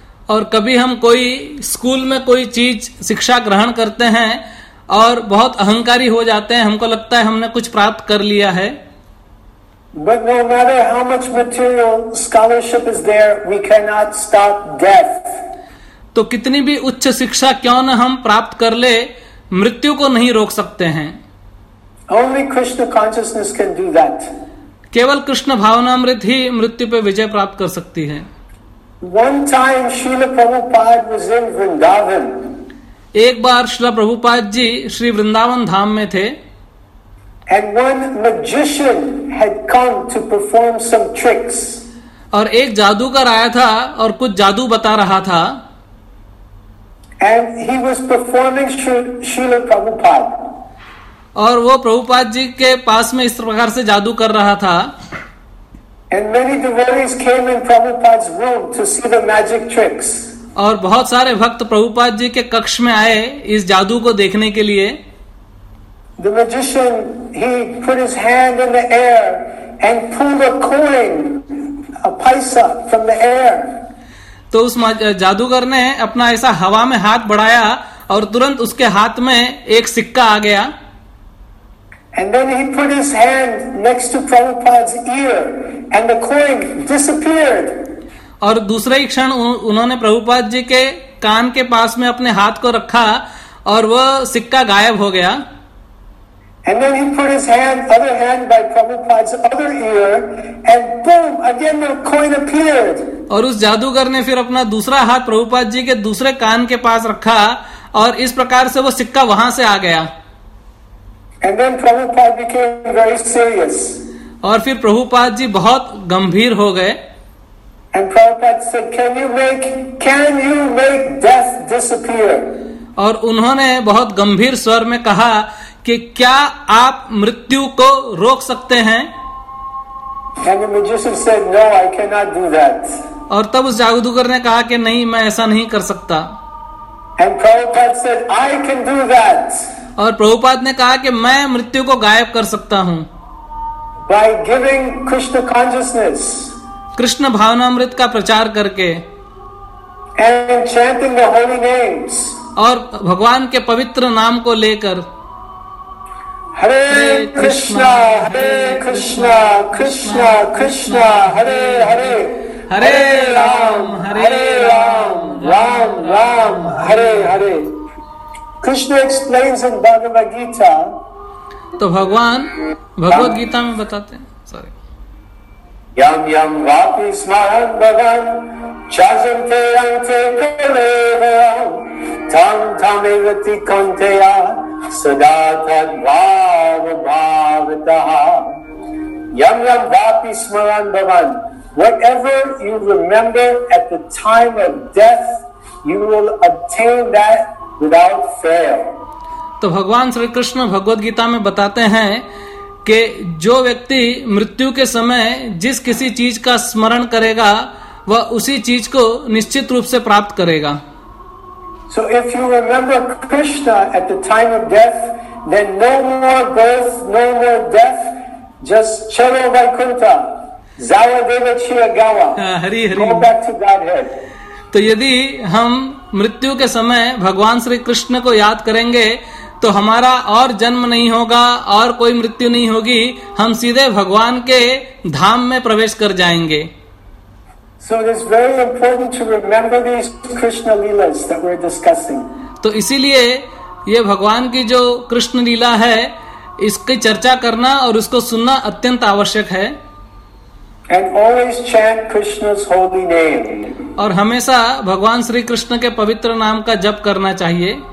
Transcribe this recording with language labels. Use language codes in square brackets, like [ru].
[hi] और कभी हम कोई स्कूल में कोई चीज शिक्षा ग्रहण करते हैं और बहुत अहंकारी हो जाते हैं, हमको लगता है हमने कुछ प्राप्त कर लिया है. [en] But no matter how much material scholarship is there, we cannot stop death. [hi] तो कितनी भी उच्च शिक्षा क्यों न हम प्राप्त कर ले, मृत्यु को नहीं रोक सकते हैं. [en] Only Krishna consciousness can do that. [hi] केवल कृष्ण भावनामृत ही मृत्यु पे विजय प्राप्त कर सकती है. [en] One time Srila Prabhupada was in Vrindavan. [hi] एक बार श्रीला प्रभुपाद जी श्री वृंदावन धाम में थे. [en] And one magician had come to perform some tricks. [hi] और एक जादूगर आया था और कुछ जादू बता रहा था. [en] And he was performing Srila Prabhupada. [hi] और वो प्रभुपाद जी के पास में इस प्रकार से जादू कर रहा था. [en] And many devotees came in Prabhupada's room to see the magic tricks. [hi] और बहुत सारे भक्त प्रभुपाद जी के कक्ष में आए इस जादू को देखने के लिए. [en] The magician, he put his hand in the air and pulled a coin, a paisa from the air. [hi] तो उस जादूगर ने अपना ऐसा हवा में हाथ बढ़ाया और तुरंत उसके हाथ में एक सिक्का आ गया. [en] And then he put his hand next to Prabhupada's ear and the coin disappeared. [hi] और दूसरे ही क्षण उन्होंने प्रभुपाद जी के कान के पास में अपने हाथ को रखा और वह सिक्का गायब हो गया. [en] And then he put his hand, other hand by Prabhupada's other ear and boom, again the coin appeared. [hi] और उस जादूगर ने फिर अपना दूसरा हाथ प्रभुपाद जी के दूसरे कान के पास रखा और इस प्रकार से वो सिक्का वहां से आ गया. [en] And then Prabhupada became very serious. [hi] और फिर प्रभुपाद जी बहुत गंभीर हो गए. [en] And Prabhupada said, can you make death disappear? [hi] और उन्होंने बहुत गंभीर स्वर में कहा कि क्या आप मृत्यु को रोक सकते हैं. [en] And the magician said, no, I cannot do that. [hi] और तब उस जादूगर ने कहा कि नहीं, मैं ऐसा नहीं कर सकता. [en] And Prabhupada said, I can do that. [hi] और प्रभुपाद ने कहा कि मैं मृत्यु को गायब कर सकता हूं. [en] By giving Krishna consciousness. [hi] Krishna भावनामृत का प्रचार करके. [en] And chanting the holy names. [hi] और भगवान के पवित्र नाम को लेकर. [sa] हरे कृष्णा हरे कृष्णा कृष्णा कृष्णा हरे हरे हरे राम हरे राम राम राम हरे हरे. [en] Krishna explains in Bhagavad Gita. [hi] तो भगवान भगवद गीता में बताते हैं. [en] Sorry. [sa] यम यम वापि स्मरन भगवान चाजन्ते अंते कले तं तमेवति कौन्तेया सदा तद्भाव भावतः. यम यम वापि स्मरन भगवान. [en] Whatever you remember at the time of death, you will attain that without fail. [hi] तो भगवान श्री कृष्ण भगवद गीता में बताते हैं कि जो व्यक्ति मृत्यु के समय जिस किसी चीज का स्मरण करेगा वह उसी चीज को निश्चित रूप से प्राप्त करेगा. [en] So if you remember Krishna at the time of death, then no more birth, no more death, just [hi] Chalo Vaikuntha, [en] Zaya Deva Chia Gawa, go back to Godhead. [hi] तो यदि हम मृत्यु के समय भगवान श्री कृष्ण को याद करेंगे तो हमारा और जन्म नहीं होगा और कोई मृत्यु नहीं होगी, हम सीधे भगवान के धाम में प्रवेश कर जाएंगे। [en] So it is very important to remember these Krishna Leelas that we're discussing. [hi] तो इसीलिए ये भगवान की जो कृष्ण लीला है इसकी चर्चा करना और उसको सुनना अत्यंत आवश्यक है। [en] And always chant Krishna's holy name. [hi] और हमेशा भगवान श्री कृष्ण के पवित्र नाम का जप करना चाहिए।